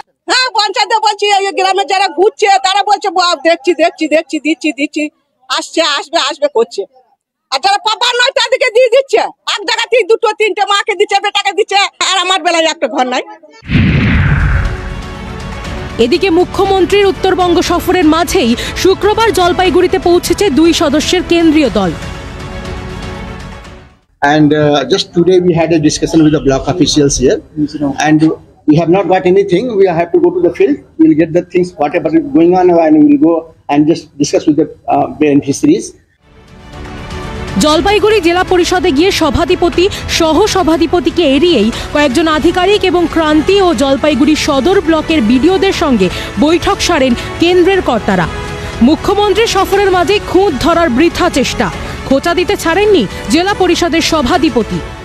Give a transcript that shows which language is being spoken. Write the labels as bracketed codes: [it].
[bn] হ্যাঁ, পঞ্চায়েতে বলছি, গ্রামে যারা ঘুরছে তারা বলছে দেখছি দেখছি দেখছি, দিচ্ছি দিচ্ছি, আসছে আসবে আসবে করছে, আর যারা পাপার নয় তাদেরকে দিয়ে দিচ্ছে, এক জায়গা থেকে 2-3 মাকে দিচ্ছে, বেটাকে দিচ্ছে, আর আমার বেলায় একটা ঘর নাই। এদিকে মুখ্যমন্ত্রীর উত্তরবঙ্গ সফরের মাঝেই শুক্রবার জলপাইগুড়িতে পৌঁছেছে 2 সদস্যের কেন্দ্রীয় দল। [en] And just today we had a discussion with the block officials here, and we have not got anything. We have to go to the field, we'll get the things whatever is going on, and we'll go and just discuss with the beneficiaries. [bn] Jalpaiguri জেলা পরিষদে গিয়ে সভাধিপতি সহ সভাধিপতিকে এড়িয়েই কয়েকজন আধিকারিক এবং ক্রান্তি ও জলপাইগুড়ি সদর ব্লকের বিডিওদের সঙ্গে বৈঠক সারেন কেন্দ্রের কর্তারা। মুখ্যমন্ত্রী সফরের মাঝে খুঁত ধরার বৃথা চেষ্টা, খোঁচা দিতে ছাড়েননি জেলা পরিষদের সভাধিপতি।